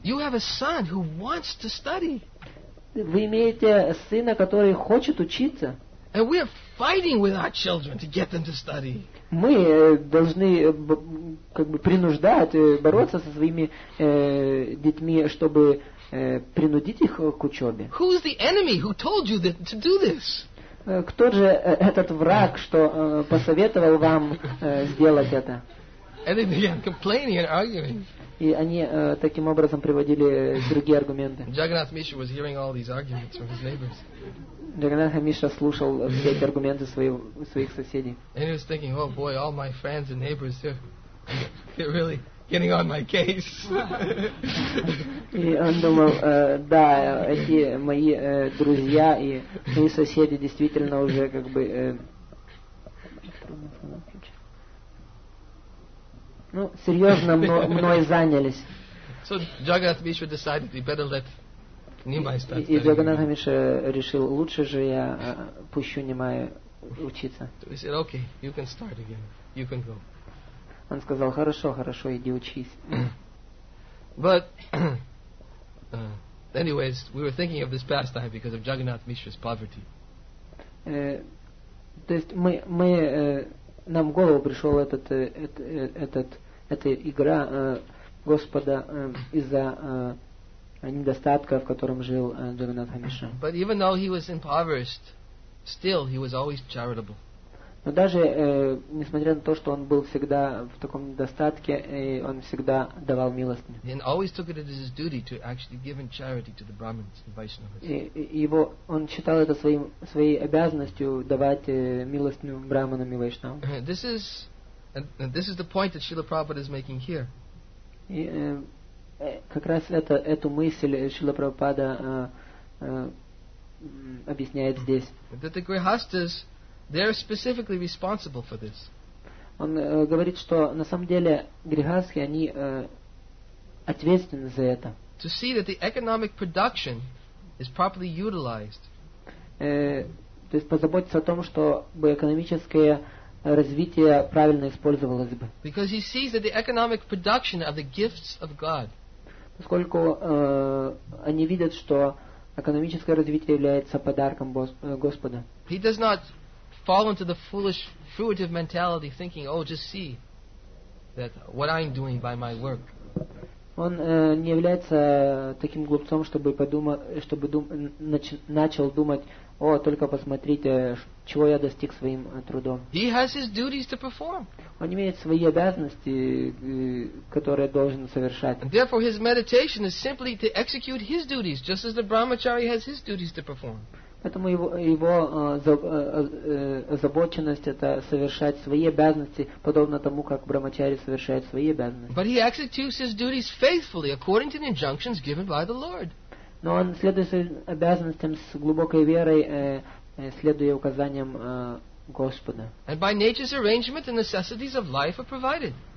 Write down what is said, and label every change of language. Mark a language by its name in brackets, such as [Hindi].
[English] You have a son who wants to study. [Russian] Вы имеете сына, который хочет учиться. [English] And we are fighting with our children to get them to study. [Russian] Мы должны как бы принуждать, бороться со своими детьми, чтобы принудить их к учебе. [English] Who is the enemy who told you that, to do this? [Russian] Кто же этот враг, что посоветовал вам сделать это? [English] And they began complaining and arguing. [Russian] И они таким образом приводили другие аргументы. [English] Jagannath Mishra was hearing all these arguments from his neighbors. [Russian] Джагнатха Мишра слушал все эти аргументы своих соседей. И он думал, да, эти мои друзья и мои соседи действительно уже как бы... Ну, серьезно мной занялись. [English] So Jagannath Mishra decided he better let Nimai start studying. [Russian] И Джагнатха Мишра решил, лучше же я пущу Нимай учиться. [English] So he said, okay, you can start again. You can go. [Russian] Он сказал, хорошо, иди учись. [English] But anyways, we were thinking of this pastime because of Jagannath Mishra's poverty. [Russian] То есть мы нам в голову пришел эта игра Господа из-за недостатка, в котором жил Джагнатха Мишра. [English] But even though he was impoverished, still he was always charitable. [Russian] Но даже несмотря на то, что он был всегда в таком недостатке, он всегда давал милостыню. [English] And always took it as his duty to actually give in charity to the Brahmins and Vaishnavas. [Russian] Он считал это своей обязанностью давать милостыню Брахманам и Вайшнавам. [English] This is the point that Srila Prabhupada is making here. [Russian] И как раз эту мысль Шрила Прабхупада объясняет здесь. [English] That the grihasthas, they're specifically responsible for this. [Russian] Он говорит, что на самом деле грихасхи, они ответственны за это. [English] To see that the economic production is properly utilized. [Russian] То есть позаботиться о том, чтобы экономическое развитие правильно использовалось бы. [English] Because he sees that the economic production are the gifts of God. [Russian] Поскольку они видят, что экономическое развитие является подарком Господа. [English] He does not fall into the foolish fruitive mentality thinking, oh, just see that what I'm doing by my work. [Russian] Он не является таким глупцом, чтобы начал думать, о, только посмотрите, чего я достиг своим трудом. [English] He has his duties to perform. [Russian] Он имеет свои обязанности, которые должен совершать. [English] And therefore his meditation is simply to execute his duties, just as the brahmachari has his duties to perform. [Russian] Поэтому его озабоченность это совершать свои обязанности, подобно тому, как брахмачари совершает свои обязанности. [English] But he executes his duties faithfully according to the injunctions given by the Lord. [Russian] Но он следует своим обязанностям с глубокой верой, следуя указаниям Господа. [English] And by nature's arrangement, the necessities of life are provided.